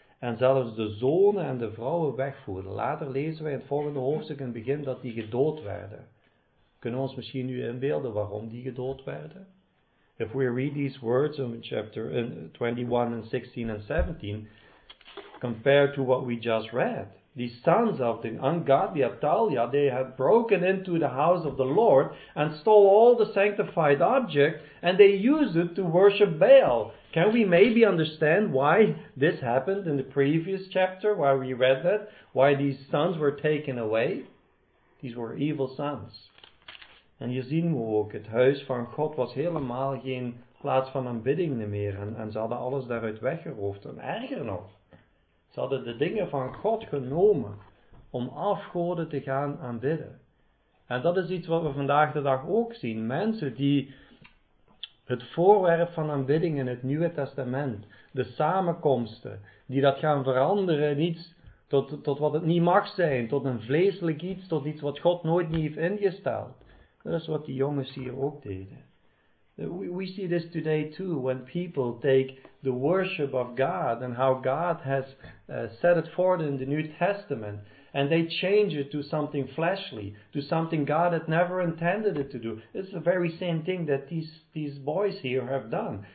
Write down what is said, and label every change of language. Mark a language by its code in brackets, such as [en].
[nl] En zelfs de zonen en de vrouwen wegvoerden. Later lezen wij in het volgende hoofdstuk in het begin dat die gedood werden. Kunnen we ons misschien nu inbeelden waarom die gedood werden? [en] If we read these words in chapter 21 and 16 and 17, compared to what we just read, the sons of the ungodly Atalia, they had broken into the house of the Lord and stole all the sanctified objects and they used it to worship Baal. Can we maybe understand why this happened in the previous chapter, why we read that? Why these sons were taken away? These were evil sons. [nl] En hier zien we ook, het huis van God was helemaal geen plaats van aanbidding meer. En ze hadden alles daaruit weggeroofd. En erger nog, ze hadden de dingen van God genomen om afgoden te gaan aanbidden. En dat is iets wat we vandaag de dag ook zien. Mensen die het voorwerp van aanbidding in het Nieuwe Testament, de samenkomsten, die dat gaan veranderen in iets tot wat het niet mag zijn, tot een vleeselijk iets, tot iets wat God nooit niet heeft ingesteld. Dat is wat die jongens hier ook deden. [en] We see this today too, when people take the worship of God and how God has set it forth in the New Testament and they change it to something fleshly, to something God had never intended it to do. It's the very same thing that these boys here have done.